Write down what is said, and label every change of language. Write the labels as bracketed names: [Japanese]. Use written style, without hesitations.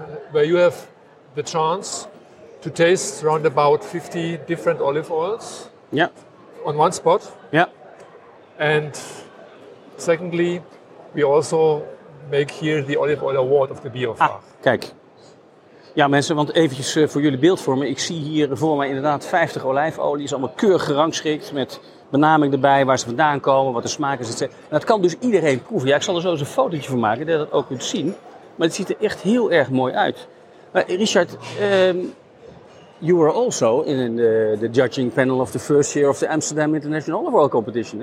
[English] where you have the chance to taste around about 50 different olive oils, yeah. on one spot. Yeah. And secondly, we also make here the olive oil award of the Biofach. [Dutch] Ah, kijk. Ja mensen, want eventjes voor jullie beeldvormen. Ik zie hier voor mij inderdaad 50 olijfolies, allemaal keurig gerangschikt met benaming erbij, waar ze vandaan komen, wat de smaak is, etc. En dat kan dus iedereen proeven. Ja, ik zal er zo eens een fotootje van maken, dat je dat ook kunt zien. Maar het ziet er echt heel erg mooi uit. Maar [English] Richard, you were also in the judging panel of the first year of the Amsterdam International Olive Oil Competition.